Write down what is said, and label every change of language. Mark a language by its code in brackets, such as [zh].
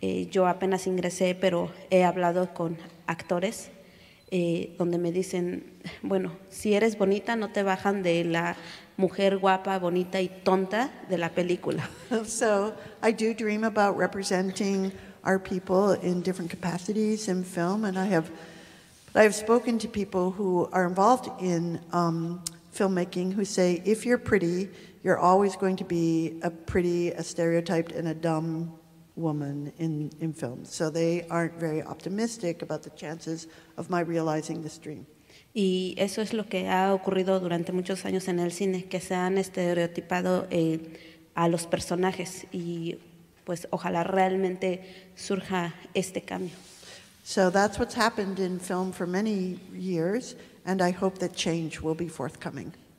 [es] Yo apenas ingresé, pero he hablado con actores donde me dicen, bueno, si eres bonita, no te bajan de la mujer guapa, bonita y tonta de la película. [en] So, I do dream about representing our people in different capacities in film, and I have spoken to people who are involved in filmmaking who say, if you're pretty, you're always going to be a stereotyped and a dumb woman in films. So they aren't very optimistic about the chances of my realizing this dream. [es] Y eso es lo que ha ocurrido durante muchos años en el cine, que se han estereotipado a los personajes, y pues ojalá realmente surja este cambio. [en] So that's what's happened in film for many years, and I hope that change will be forthcoming.